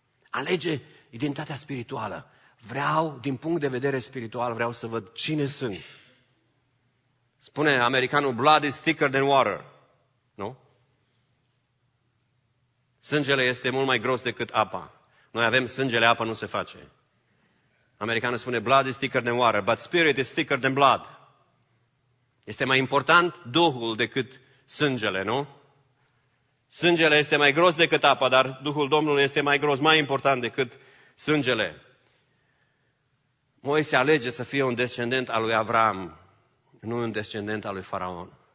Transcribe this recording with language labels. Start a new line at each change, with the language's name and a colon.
Romanian: Alege identitatea spirituală. Vreau, din punct de vedere spiritual, vreau să văd cine sunt. Spune americanul,
English: blood is thicker than water.
Romanian: Nu? Sângele este mult mai gros decât apa. Noi avem sângele, apa nu se face. Americanul spune,
English: blood is thicker than water, but spirit is thicker than blood.
Romanian: Este mai important Duhul decât sângele, nu? Sângele este mai gros decât apa, dar Duhul Domnului este mai gros, mai important decât sângele. Moise alege să fie un descendent al lui Avram, nu un descendent al lui Faraon.